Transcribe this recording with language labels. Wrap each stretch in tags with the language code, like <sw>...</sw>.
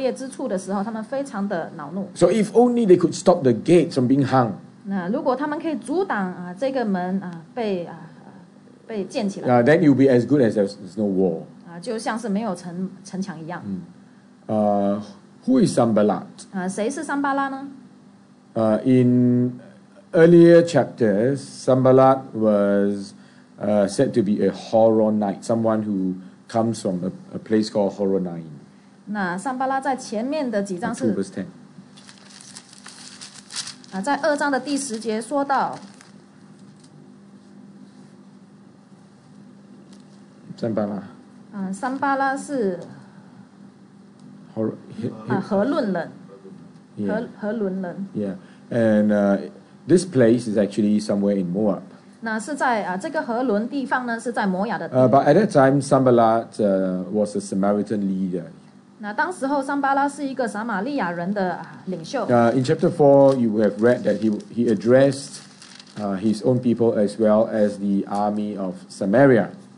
<zh>当他们听到这个城墙没有破裂之处的时候，他们非常的恼怒。</zh> <en>So if only they could stop the gates from being hung.</en> <zh>如果他们可以阻挡这个门被建起来。</zh> <en>Then it would be as good as there's no wall.</en> <zh>就像是没有城墙一样。</zh> <en>Who is Sanballat?</en> <zh>谁是桑巴拉呢?</zh> <en>In earlier chapters, Sanballat was said to be a Horonite, someone who comes from a place called Horonaim.</en> <zh>那桑巴拉在前面的几章是</zh> <en>2 verse 10.</en> <zh>在2章的第10节说到桑巴拉桑巴拉是河伦人河伦人</zh> <en>Yeah. And this place is actually somewhere in Moab.</en> <zh>那是在这个河伦地方呢，是在摩亚的地方。</zh> <en>But at that time, Sanballat was a Samaritan leader.</en> <zh>那当时候，桑巴拉是一个撒玛利亚人的领袖。</zh> <en>In chapter 4, you have read that he addressed his own people as well as the army of Samaria.</en>